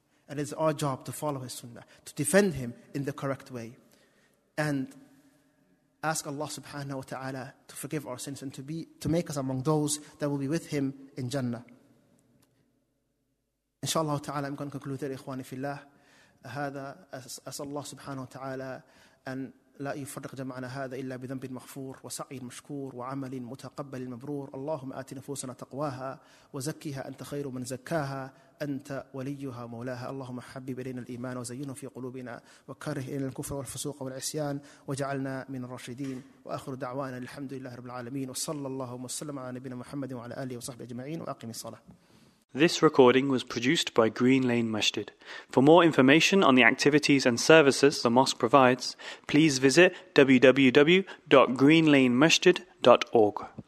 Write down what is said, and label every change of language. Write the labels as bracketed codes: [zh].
[en] And it's our job to follow his sunnah, to defend him in the correct way. And ask Allah subhanahu wa ta'ala to forgive our sins and to make us among those that will be with him in Jannah. Inshallah ta'ala, I'm going to conclude there, ikhwani fillah. Hada, as Allah subhanahu wa ta'ala, and [ar] لا يفرق جمعنا هذا إلا بذنب مغفور وسعي مشكور وعمل متقبل مبرور اللهم آت نفوسنا تقواها وزكيها أنت خير من زكاها أنت وليها مولاها اللهم حبب إلينا الإيمان وزينه في قلوبنا وكره إلينا الكفر والفسوق والعصيان وجعلنا من الراشدين وآخر دعوانا الحمد لله رب العالمين وصلى الله وسلم على نبينا محمد وعلى آله وصحبه أجمعين وأقم الصلاة. [en] This recording was produced by Green Lane Masjid. For more information on the activities and services the mosque provides, please visit www.greenlanemasjid.org.